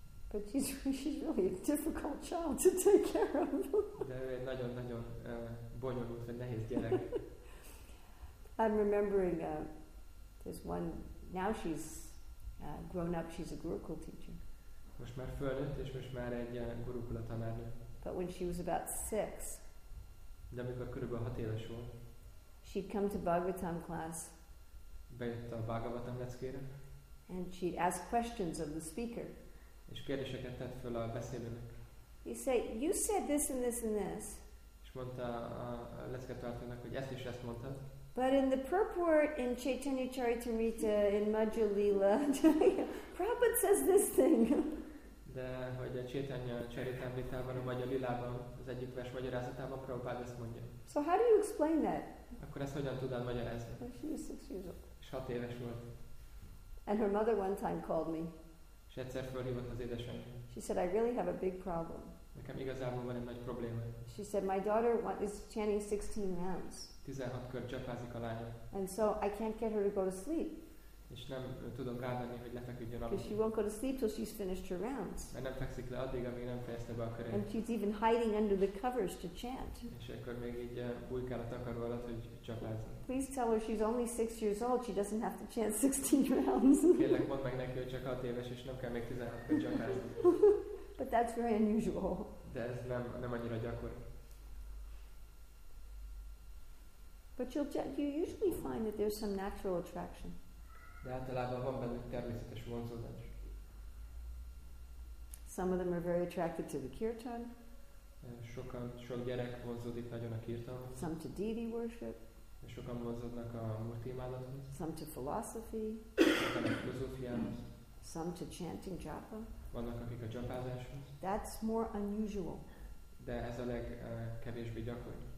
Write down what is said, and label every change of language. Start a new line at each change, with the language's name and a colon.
English: But she's really a difficult child to take care of.
Hungarian: De ő egy nagyon-nagyon bonyolult, vagy nehéz gyerek.
English: I'm remembering there's one, now she's grown up, she's a gurukul teacher.
Hungarian: Most már felnőtt, és most már egy gurukula tanárnő.
English: But when she was about 6,
Hungarian: de amikor körülbelül 6 éves volt,
English: she'd come to Bhagavatam class.
Hungarian: Bejött a Bhagavatam leckére.
English: And she'd ask questions of the speaker.
Hungarian: És kérdéseket tett föl a beszélőnek.
English: He said, you said this and this and this.
Hungarian: És mondta a leckétartónak, hogy ezt is ezt mondtad.
English: But in the purport in Chaitanya Charitamrita in Madhya Lila, Prabhupada says this thing.
Hungarian: De hogy a Chaitanya Charitamritában, a Madhya Lilában, az egyik vers magyarázatában Prabhupada ezt mondja.
English: So how do you explain that?
Hungarian: Akkor ezt hogyan tudod magyarázni? És 6 éves volt.
English: And her mother one time called me.
Hungarian: És egyszer felhívott az édesanyja.
English: She said, I really have a big problem.
Hungarian: Nekem igazából van egy nagy probléma.
English: She said, my daughter is chanting 16 rounds.
Hungarian: 16 kör csapázik a lányom.
English: And so I can't get her to go to sleep.
Hungarian: És nem tudom rávenni, hogy lefeküdjön aludni.
English: Because she won't go to sleep till she's finished her rounds.
Hungarian: Mert nem fekszik le addig, amíg nem fejezte be a körét.
English: And she's even hiding under the covers to chant.
Hungarian: És akkor még így bújkál a takaró alatt, hogy csapázzon.
English: Please tell her she's only 6 years old, she doesn't have to chant 16 rounds.
Hungarian: Kérlek, mondd meg neki, hogy csak 6 éves, és nem kell még 16 kör csapázni.
English: But that's very unusual.
Hungarian: De ez nem annyira gyakori.
English: But you usually find that there's some natural attraction.
Hungarian: De általában van bennük természetes vonzódás.
English: Some of them are very attracted to the kirtan.
Hungarian: Sok gyerek vonzódik nagyon a kirtanhoz.
English: Some to deity worship.
Hungarian: Sokan vonzódnak a murti imádathoz.
English: Some to philosophy.
Hungarian: Sokan a filozófiához.
English: Some to chanting japa.
Hungarian: Vannak, akik a japázáshoz.
English: That's more unusual.
Hungarian: De ez a legkevésbé gyakori.